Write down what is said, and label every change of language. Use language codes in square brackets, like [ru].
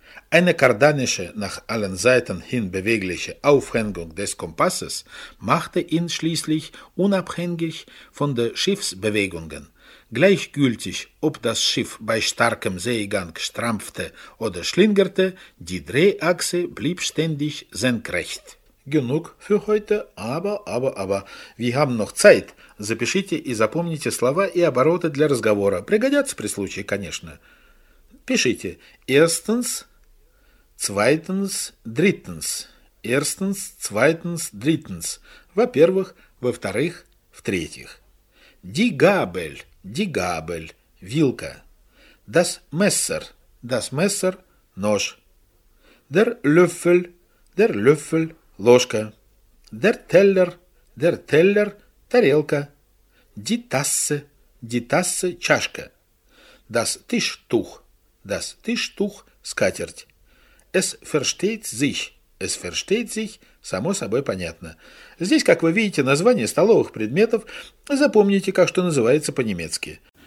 [de] Eine kardanische, nach allen Seiten hin bewegliche Aufhängung des Kompasses machte ihn schließlich unabhängig von den Schiffsbewegungen. Gleichgültig, ob das Schiff bei starkem Seegang strampfte oder schlingerte, die Drehachse blieb ständig senkrecht. Genug für heute, aber, wir haben noch Zeit. [ru] Запишите и запомните слова и обороты для разговора. Пригодятся при случае, конечно. Пишите. [de] Erstens, zweitens, drittens. Erstens, zweitens, drittens. [ru] Во-первых, во-вторых, в-третьих. [de] Die Gabel, [ru] Вилка. [de] Das Messer, [ru] Нож. [de] Der Löffel, [ru] Ложка. [de] Der Teller, [ru] Тарелка. [de] Die Tasse, [ru] Чашка. [de] Das Tischtuch, [ru] Скатерть. [de] Es versteht sich, [ru] само собой понятно. Здесь, как вы видите, название столовых предметов. Запомните, как что называется по-немецки.